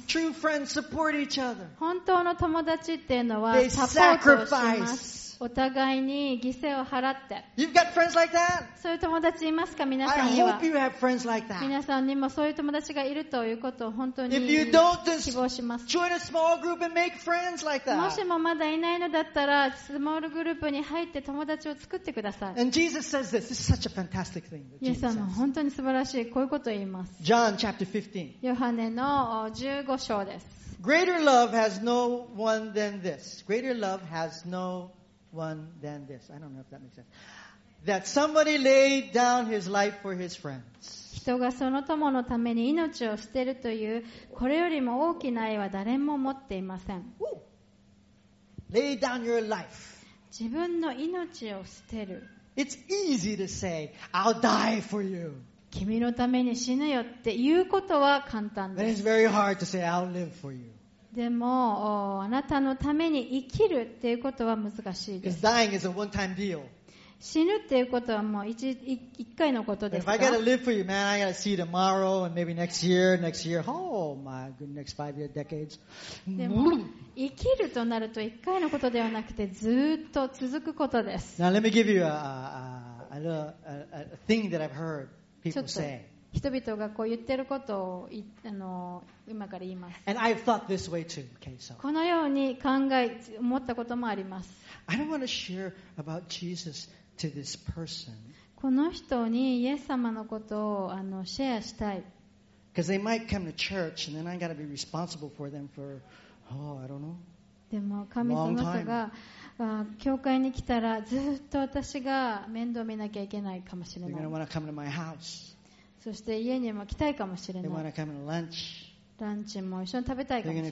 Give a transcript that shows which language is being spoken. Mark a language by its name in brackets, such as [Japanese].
[English] True friends support each other. [Japanese] 本当の友達っていうのはサポートをします。お互いに犠牲を払って。 [English] You've got friends like that? [Japanese] そういう友達いますか皆さんには。 [English] I hope you have friends like that. [Japanese] 皆さんにもそういう友達がいるということを本当に希望します。 [English] Join a small group and make friends like that. [Japanese] もしもまだいないのだったら、スモールグループに入って友達を作ってください。 [English] And Jesus says this. This is such a fantastic thing. [Japanese] イエス様は本当に素晴らしい。こういうことを言います。 [English] John chapter 15. [Japanese] ヨハネの15章です。 [English] Greater love has no one than this. Greater love has no one than this. I don't know if that makes sense. That somebody laid down his life for his friends. [Japanese] 人がその友のために命を捨てるというこれよりも大きな愛は誰も持っていません。 [English] Lay down your life. [Japanese] 自分の命を捨てる。 [English] It's easy to say, I'll die for you. [Japanese] 君のために死ぬよって言うことは簡単です。 [English] But it's very hard to say, I'll live for you. [Japanese] でもあなたのために生きるっていうことは難しいです。 [English] Dying is a one-time deal. [Japanese] 死ぬっていうことはもう一回のことですか。 [English] If I gotta live for you, man, I gotta see you tomorrow and maybe next year, oh my good, next five year decades. [Japanese] でも生きるとなると一回のことではなくてずっと続くことです。 [English] Now let me give you a thing that I've heard people say. [Japanese] 人々がこう言ってることを今から言います。 [English] And I've thought this way too, okay, so. [Japanese] このように思ったこともあります。 [English] I don't want to share about Jesus to this person. [Japanese] この人にイエス様のことをシェアしたい。 [English] Because they might come to church and then I got to be responsible for them for, oh, I don't know, a long time. [Japanese] でも神様が教会に来たらずっと私が面倒見なきゃいけないかもしれない。 [English] They're going to want to come to my house. [Japanese] そして家にも来たいかもしれない。 [English] Lunch. [Japanese] ランチも一緒に食べたいかもしれない。